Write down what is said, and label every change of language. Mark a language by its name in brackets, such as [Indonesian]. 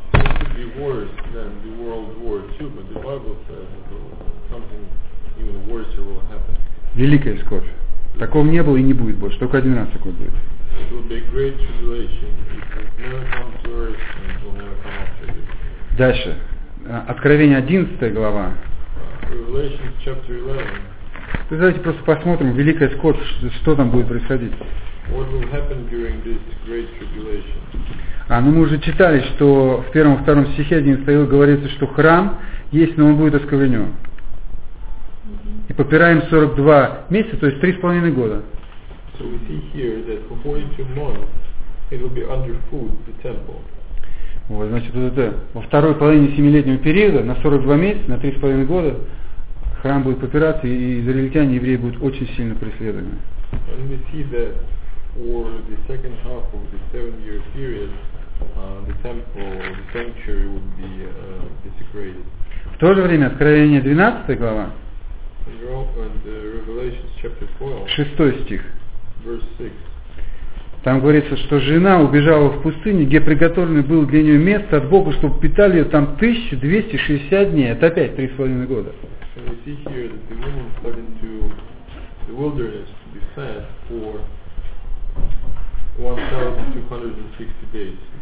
[English] It could be worse than the World War II, but the Bible says something even worse will happen. [Russian] Великая скорбь. Такого не было и не будет больше. Только один раз такое будет. [English] It will be a great tribulation. It will never come to earth and it will never come after this. [Russian] Дальше. Откровение 11 глава. [English] Revelation chapter 11. [Russian] То давайте просто посмотрим, великая скорбь, что там будет происходить. [English] What will happen during this great tribulation? [Russian] Ну мы уже читали, что в первом и втором стихе 11 главы говорится, что храм есть, но он будет осквернен. И попираем 42 месяца, то есть 3,5 года. [English] So we see here that according to Moses, it will be under food the temple. [Russian] Вот, значит, вот это во второй половине семилетнего периода, на 42 месяца, на 3,5 года, храм будет попираться, и израильтяне и евреи будут очень сильно преследованы. [English] And we see that for the second half of the 7-year period, the temple, the sanctuary would be desecrated. [Russian] В то же время Откровение 12 глава, [English] Revelation chapter 12, [Russian] 6 стих, [English] verse 6. [Russian] Там говорится, что жена убежала в пустыню, где приготовлено было для нее место от Бога, чтобы питали ее там 1260 дней. Это опять 3,5 года. [English] And we see here that the woman fled into the wilderness to be fed for 1260 days.